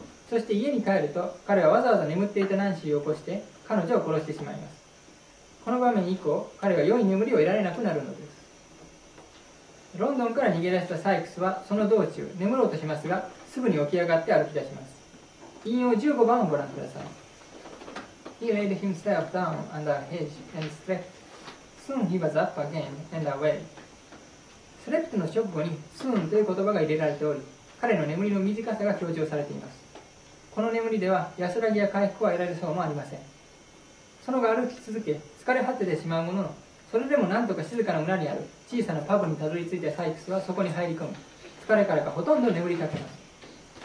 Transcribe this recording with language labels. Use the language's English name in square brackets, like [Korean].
[Japanese] そして家に帰ると彼はわざわざ眠っていたナンシーを起こして彼女を殺してしまいます。この場面以降彼は良い眠りを得られなくなるのです。ロンドンから逃げ出したサイクスはその道中眠ろうとしますが、すぐに起き上がって歩き出します。引用15番をご覧ください。 [English] He laid himself down under a hedge and slept. Soon he was up again and away. [Japanese] Slept の直後に Soon という言葉が入れられており、彼の眠りの短さが強調されています。この眠りでは安らぎや回復は得られそうもありません。その後歩き続け、疲れ果ててしまうものの、それでもなんとか静かな村にある小さなパブにたどり着いたサイクスはそこに入り込み、疲れからかほとんど眠りかけます。